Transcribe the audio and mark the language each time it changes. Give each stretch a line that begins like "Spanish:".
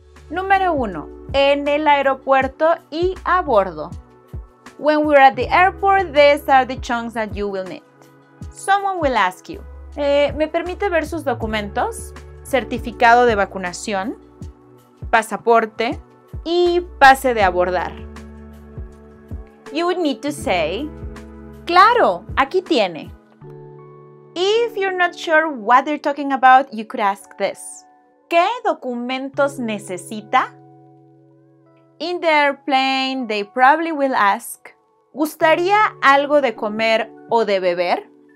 Spanish: Número uno, en el aeropuerto y a bordo.
English: When we're at the airport, these are the chunks that you will need. Someone will ask you,
Spanish: ¿me permite ver sus documentos?
English: Certificado de vacunación, pasaporte y pase de abordar. You would need to say,
Spanish: claro, aquí tiene.
English: If you're not sure what they're talking about, you could ask this.
Spanish: ¿Qué documentos necesita?
English: In the airplane, they probably will ask,
Spanish: ¿gustaría algo de comer o de beber?